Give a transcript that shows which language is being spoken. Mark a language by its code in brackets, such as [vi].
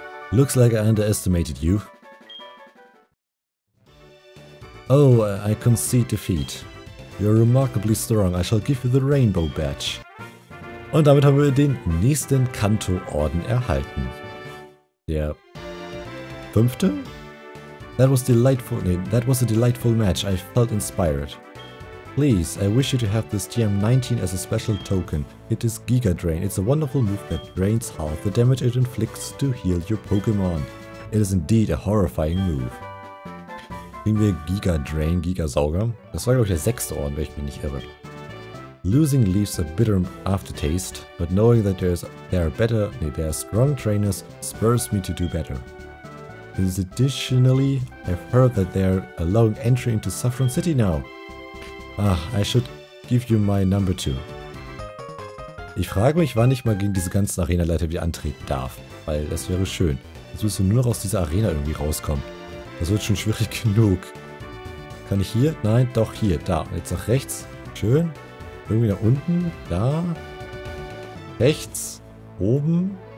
[en] Looks like I underestimated you. Oh, I concede defeat. You're remarkably strong. I shall give you the Rainbow Badge. [de] Und damit haben wir den nächsten Kanto-Orden erhalten. Der fünfte? [en] That was delightful. Nee, that was a delightful match. I felt inspired. Please, I wish you to have this GM-19 as a special token. It is Giga Drain. It's a wonderful move that drains half the damage it inflicts to heal your Pokémon. It is indeed a horrifying move. [de] Kriegen wir Giga Drain, Giga Sauger? Das war glaube ich der sechste Ort, wenn ich mich nicht irre. [en] Losing leaves a bitter aftertaste, but knowing that there are strong trainers spurs me to do better. Additionally, I've heard that they are allowing entry into Saffron City now. Ah, I should give you my number 2. [de] Ich frage mich, wann ich mal gegen diese ganzen Arena-Leiter wieder antreten darf, weil das wäre schön. Jetzt müssen wir nur noch aus dieser Arena irgendwie rauskommen. Das wird schon schwierig genug. Kann ich hier? Nein, doch hier, da. Jetzt nach rechts. Schön. Irgendwie nach unten. Da. Rechts. Oben.